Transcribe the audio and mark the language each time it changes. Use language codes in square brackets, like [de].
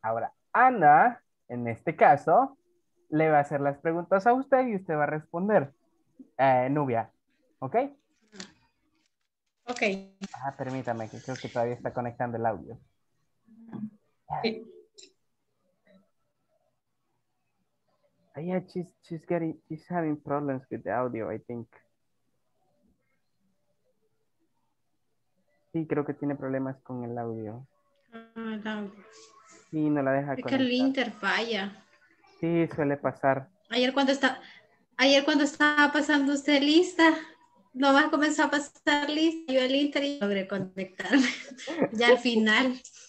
[es] Ahora, Ana, en este caso, le va a hacer las preguntas a usted y usted va a responder, Nubia, ¿ok? Ok. Ah, permítame, que creo que todavía está conectando el audio. Sí. [en] Oh, yeah, she's having problems with the audio, I think. [es] Sí, creo que tiene problemas con el audio. El audio. Sí, no la deja conectar. Es que el link falla. Sí, suele pasar. Ayer cuando estaba pasando usted lista, nomás comenzó a pasar lista, yo el inter y logré conectarme, ya al final.